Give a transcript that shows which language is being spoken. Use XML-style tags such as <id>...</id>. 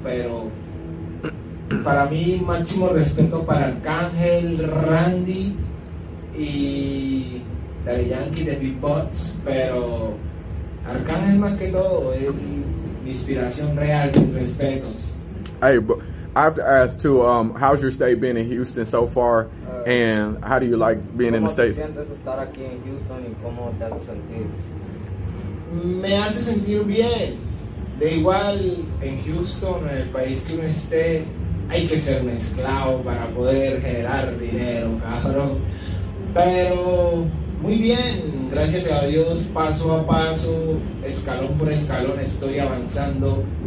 <es>Pero para mí, máximo respeto para Arcángel, Randy y Daddy Yankee de Big Box. Pero Arcángel, más que todo, es mi inspiración real, mis respetos.</es> <en>Hey, but I have to ask too, how's your stay been in Houston so far, and how do you like being in the States?</en> <es>¿Cómo te sientes estar aquí en Houston y cómo te hace sentir? Me hace sentir bien. De igual, en Houston, en el país que uno esté, hay que ser un esclavo para poder generar dinero, cabrón. Pero muy bien, gracias a Dios, paso a paso, escalón por escalón, estoy avanzando</es>